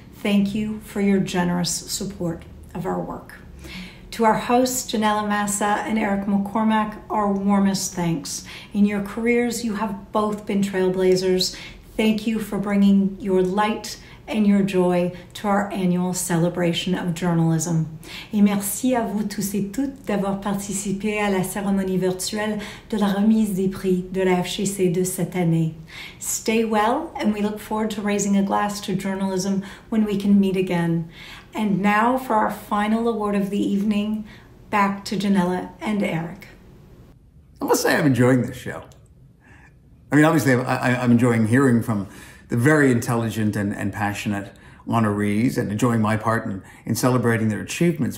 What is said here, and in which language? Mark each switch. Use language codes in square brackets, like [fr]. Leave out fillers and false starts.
[en] Thank you for your generous support of our work. To our hosts, Ginella Massa and Eric McCormack, our warmest thanks. In your careers, you have both been trailblazers. Thank you for bringing your light and your joy to our annual celebration of journalism. [fr] Et merci à vous tous et toutes d'avoir participé à la cérémonie virtuelle de la remise des prix de la FGC de cette année. [en] Stay well, and we look forward to raising a glass to journalism when we can meet again. And now for our final award of the evening, back to Ginella and Eric. I must say I'm enjoying this show. I mean, obviously, I'm enjoying hearing from the very intelligent and passionate honorees and enjoying my part in celebrating their achievements.